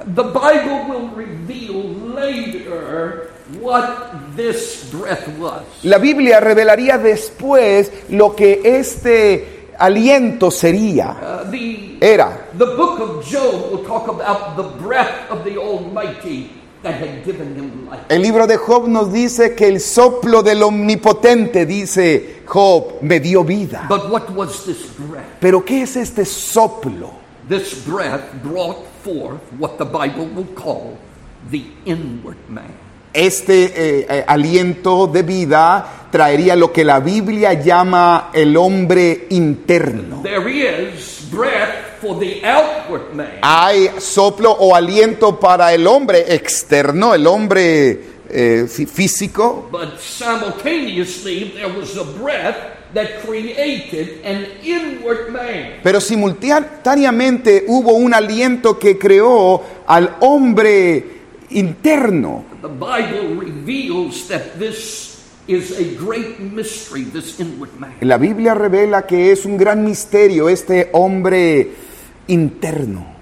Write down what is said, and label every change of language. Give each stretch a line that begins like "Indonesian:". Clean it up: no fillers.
English: The Bible will reveal later what this breath was.
Spanish: La Biblia revelaría después lo que este aliento sería.
English: The book of Job will talk about the breath of the Almighty that had given him life.
Spanish: El libro de Job nos dice que el soplo del omnipotente, dice Job, me dio vida.
English: But what was this breath?
Spanish: ¿Pero qué es este soplo?
English: This breath brought forth what the Bible will call the inward man.
Spanish: Este aliento de vida traería lo que la Biblia llama el hombre interno.
English: There is breath for the outward man.
Spanish: Hay soplo o aliento para el hombre externo, el hombre físico.
English: But simultaneously there was a breath that created an inward man.
Spanish: Pero simultáneamente hubo un aliento que creó al hombre interno.
English: The Bible reveals that this is a great mystery, this inward man.
Spanish: La Biblia revela que es un gran misterio este hombre interno.